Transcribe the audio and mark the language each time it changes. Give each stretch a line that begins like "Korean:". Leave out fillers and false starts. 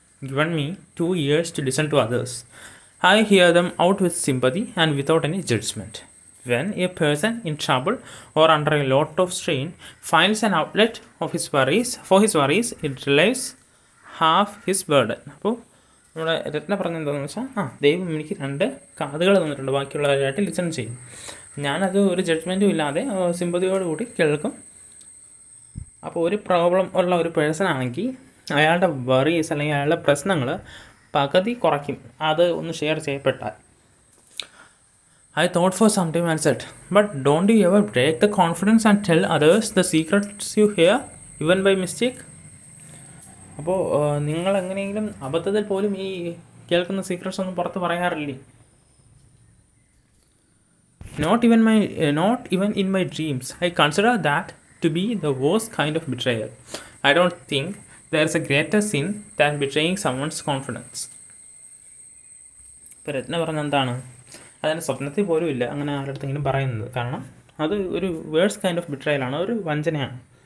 English: given me 2 years to listen to others. I hear them out with sympathy and without any judgment. When a person in trouble or under a lot of strain finds an outlet of his worries for his worries, it relieves half his burden.
Malayalam: അപ്പോൾ നമ്മുടെ രത്ന പറഞ്ഞ എന്താണെന്ന് വെച്ചാൽ, ആ ദൈവം എനിക്ക് രണ്ട് കാതുകൾ തന്നിട്ടുണ്ട്, ബാക്കിയുള്ളവരായിട്ട് ലിസൺ ചെയ്യും. ഞാനത് ഒരു ജഡ്ജ്മെൻറ്റും ഇല്ലാതെ സിമ്പതിയോടുകൂടി കേൾക്കും. അപ്പോൾ ഒരു പ്രോബ്ലം ഉള്ള ഒരു പേഴ്സൺ ആണെങ്കിൽ അയാളുടെ വറീസ് അല്ലെങ്കിൽ അയാളുടെ പ്രശ്നങ്ങൾ പകുതി കുറയ്ക്കും അത് ഒന്ന് share ചെയ്യപ്പെട്ടാൽ.
English: I thought for some time and said, but don't you ever break the confidence and tell others the secrets you hear, even by mistake?
Malayalam: അപ്പോൾ നിങ്ങളെങ്ങനെയെങ്കിലും അബദ്ധത്തിൽ പോലും ഈ കേൾക്കുന്ന സീക്രട്സ് ഒന്നും പുറത്ത് പറയാറില്ലേ?
English: Not even in my dreams, I consider that to be the worst kind of betrayal. I don't think there is a greater sin than betraying someone's confidence.
Malayalam: ഇപ്പോൾ രത്ന പറഞ്ഞ എന്താണ്? അതിന് സ്വപ്നത്തിൽ പോലും ഇല്ല അങ്ങനെ ആരുടെങ്കിലും പറയുന്നത്, കാരണം അത് ഒരു
English: worse kind of ബിട്രയലാണ്,
Malayalam: ഒരു വഞ്ചനയാണ്.